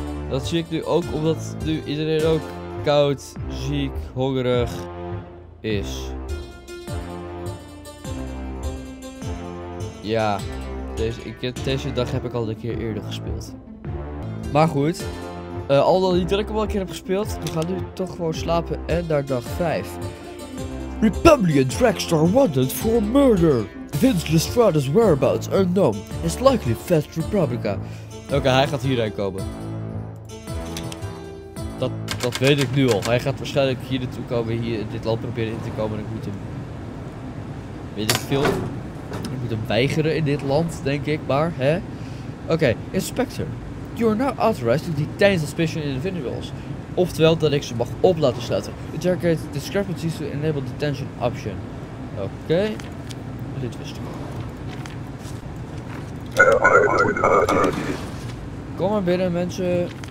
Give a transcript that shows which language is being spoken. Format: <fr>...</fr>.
<nl>Dat zie ik nu ook, omdat nu iedereen ook koud, ziek, hongerig is. Ja, deze dag heb ik al een keer eerder gespeeld. Maar goed, al dan niet dat ik hem al een keer heb gespeeld, we gaan nu toch gewoon slapen en naar dag 5.</nl> <en>Republican Dragstar wanted for murder. Vince Lestrade's whereabouts unknown. It's likely Fast Republica.</en> <nl>Oké, hij gaat hieruit komen. Dat weet ik nu al. Hij gaat waarschijnlijk hier naartoe komen, hier in dit land proberen in te komen. En ik moet hem... Weet ik veel? Ik moet hem weigeren in dit land, denk ik, maar, hè? Oké, inspector.</nl> <en>You are now authorized to detain suspicious individuals.</en> <nl>Oftewel dat ik ze mag op laten sluiten.</nl> <en>Interrogate discrepancies to enable detention option. Oké.</en> <nl>Dit wist ik. Kom maar binnen, mensen.</nl>